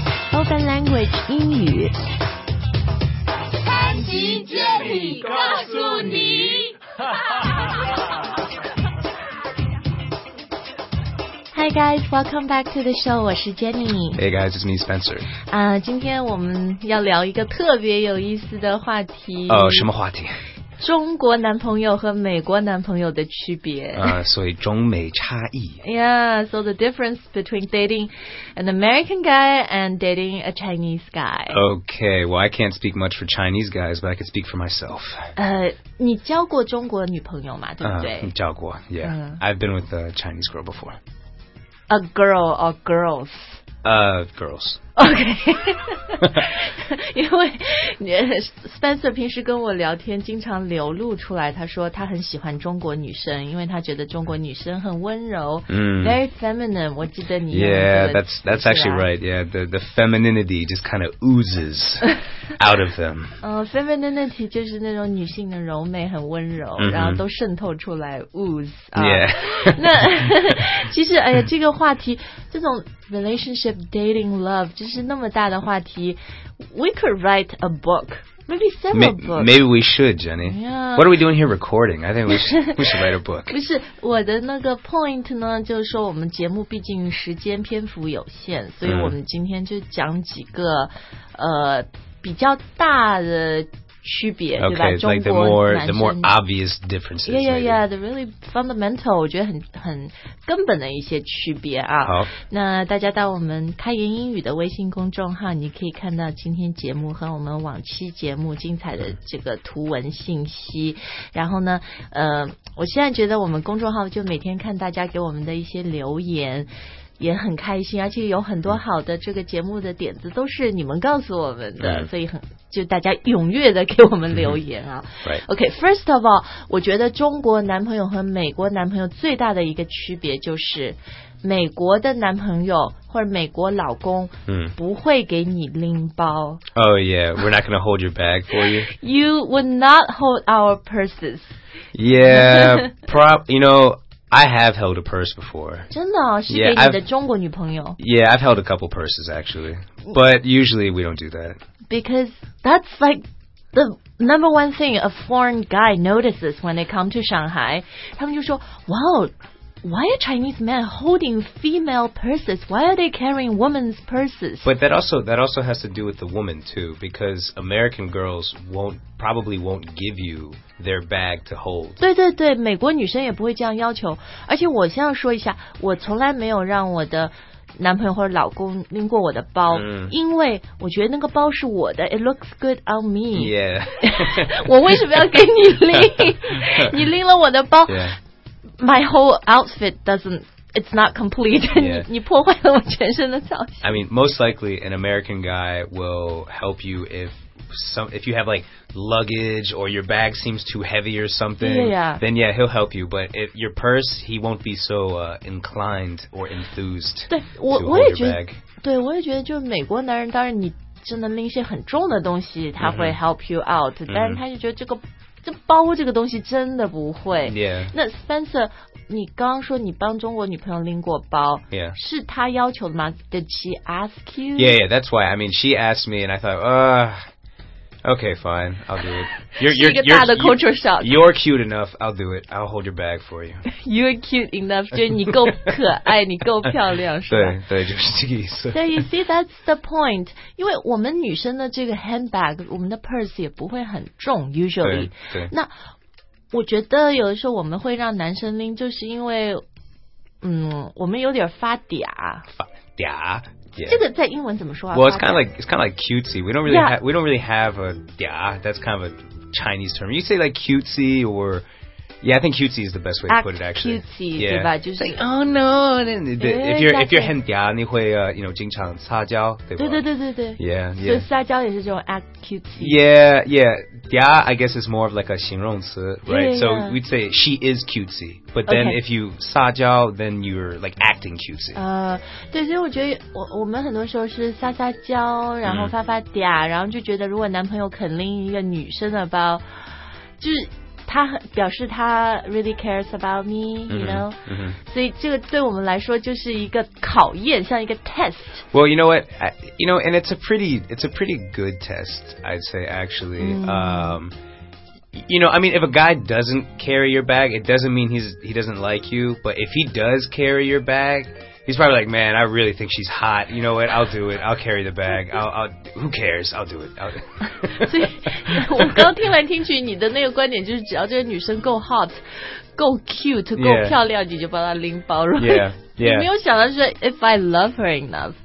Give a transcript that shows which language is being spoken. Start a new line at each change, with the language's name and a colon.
English: Spoken Language
Chinese: 英语。潘吉杰里告诉你。
English: Hi guys, welcome back to the show.
Chinese: 我是 Jenny.
English: Hey guys, it's me, Spencer.
Chinese: 今天我们要聊一个特别有意思的话题。什么话题？中国男朋友和美国男朋友的区别。所以中美差异。
English: Yeah, so the difference between dating an American guy and dating a Chinese guy. Okay, well, I can't speak much for Chinese guys, but I can speak for myself.
Chinese: 你交过中国女朋友吗？对不对？交过 ，
English: Yeah. I've been with a Chinese girl before. A girl or girls? Girls. Okay.
Chinese: 因为 Spencer 平时跟我聊天经常流露出来，他说他很喜欢中国女生，因为他觉得中国女生很温柔。
English: Very feminine.
Chinese: 我记得你。
English: Yeah, that's actually right. Yeah, the femininity just kind of oozes out of them.
Chinese: Femininity 就是那种女性的柔美很温柔、mm-hmm. 然后都渗透出来 ooze.、
English: Yeah.
Chinese: 那其实哎呀这个话题这种
English: relationship, dating, love,
Chinese: 就是那么大的话题
English: we could write a book, maybe several books. Maybe we should, Jenny.、 Yeah. What are we doing here recording? I think we should write a book.
Chinese: 不是，我的那个
English: point
Chinese: 呢，就是说我们节目毕竟时间篇幅有限，所以我们今天就讲几个、比较大的区别
English: okay,
Chinese: 对吧
English: like the more obvious differences. Yeah, yeah, yeah. The really fundamental,
Chinese: 我觉得很根本的一些区别啊。好，那大家到我们开言英语的微信公众号，你可以看到今天节目和我们往期节目精彩的这个图文信息。然后呢，我现在觉得我们公众号就每天看大家给我们的一些留言。也很开心，而且有很多好的这个节目的点子都是你们告诉我们的、所以很就大家踊跃的给我们留言啊、
English: right. OK, first of all,
Chinese: 我觉得中国男朋友和美国男朋友最大的一个区别就是美国的男朋友或者美国老公不会给你拎包。
English: Oh yeah, we're not going to hold your bag for you. You would not hold our purses. Yeah, you know,I have held a purse before.
Chinese: 真的、哦、是给你的中国女朋友
English: Yeah, I've held a couple purses actually. But usually we don't do that. Because that's like the number one thing a foreign guy notices when they come to Shanghai.
Chinese: 他们就说
English: wow, why are Chinese men holding female purses? Why are they carrying women's purses? But that also has to do with the woman too. Because American girls probably won't give you... their bag to hold.
Chinese: 对对对，美国女生也不会这样要求。而且我先要说一下，我从来没有让我的男朋友或者老公拎过我的包，因为我觉得那个包是我的。
English: It looks good on me. Yeah.
Chinese: 我为什么要给你拎？你拎了我的包、
English: yeah. ，my whole outfit doesn't. It's not complete. Yeah.
Chinese: 你破坏了我全身的造型。
English: I mean, most likely, an American guy will help you if you have like luggage or your bag seems too heavy or something, yeah, yeah. then yeah, he'll help you. But if your purse, he won't be so inclined or enthused
Chinese: 对, 我,
English: to hold your bag.
Chinese: 对我也觉得就是美国男人当然你真的拎一些很重的东西他会
English: help you out,、 mm-hmm.
Chinese: 但是他就觉得这个这包这个东西真的不会。
English: Yeah.
Chinese: 那 Spencer, 你刚刚说你帮中国女朋友拎过包、
English: yeah.
Chinese: 是他要求的吗
English: Did she ask you? Yeah, yeah, that's why. I mean, she asked me and I thought, Okay, fine. I'll do it. You're
Chinese: 一个大的 culture shock.
English: You're cute enough. I'll do it. I'll hold your bag for you. You're cute enough.
Chinese: 就你够可爱，你够漂亮，是吧？对对，就是这个意思。
English: So you see, that's the point.
Chinese: 因为我们女生的这个 handbag, 我们的 purse 也不会很重 ，
English: usually.
Chinese: 对。对那我觉得有的时候我们会让男生拎，就是因为，我们有点发嗲。发嗲。Yeah. 这个在英文怎么说啊
English: Well, it's kind of like cutesy. We don't really have a 嗲 That's kind of a Chinese term. You say like cutesy or... Yeah, I think cutesy is the best way to put it, actually. Cutesy, yeah.
Chinese: 对吧就是
English: like, oh no. If you're
Chinese: 很嗲你会、
English: you know,
Chinese: 经常撒娇对吧对对对对对
English: Yeah, yeah.
Chinese: 所以撒娇也是这种 act cutesy.
English: Yeah, yeah. 嗲 I guess is more of like a
Chinese: 形容词
English: right? Yeah, yeah. So we'd say she is cutesy. But then、 okay. if you
Chinese: 撒娇
English: then you're like acting cutesy.
Chinese: 对所以我觉得 我们很多时候是撒撒娇然后发发嗲、然后就觉得如果男朋友肯拎一个女生的包就是他表示他
English: really cares about me, you know? Mm-hmm. Mm-hmm.
Chinese: 所以这个对我们来说就是一个考验，像一个 test.
English: Well, you know what? And it's a pretty good test, I'd say, actually. Mm-hmm. If a guy doesn't carry your bag, it doesn't mean he doesn't like you. But if he does carry your bag... He's probably like, man, I really think she's hot. You know what? I'll do it. I'll carry the bag. Who cares? I'll do it.
Chinese: 所以我刚听来听去你的那个观点就是只要这个女生够
English: hot,
Chinese: 够
English: cute,
Chinese: 够漂亮、 yeah. 你就帮她拎包了。
English: Right? Yeah. Yeah.
Chinese: 你没有想到是
English: if I love her enough.